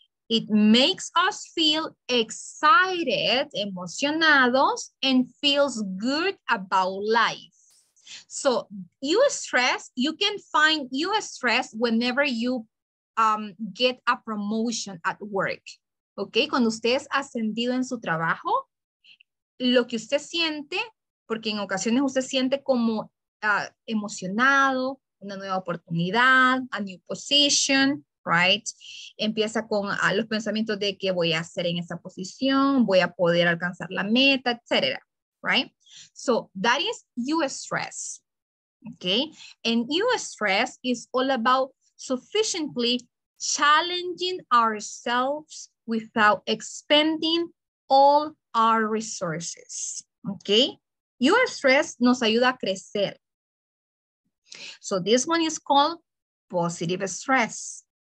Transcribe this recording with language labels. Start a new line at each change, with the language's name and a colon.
English: It makes us feel excited, emocionados, and feels good about life. So eustress, you can find eustress whenever you get a promotion at work.
Spanish: Okay, cuando usted es ascendido en su trabajo, lo que usted siente, porque en ocasiones usted siente como emocionado, una nueva oportunidad,
English: a new position, right?
Spanish: Empieza con los pensamientos de qué voy a hacer en esa posición, voy a poder alcanzar la meta, etc.
English: Right? So that is eustress. Okay? And eustress is all about sufficiently challenging ourselves without expending all our resources. Okay? Eustress
Spanish: nos ayuda a crecer.
English: So this one is called positive stress.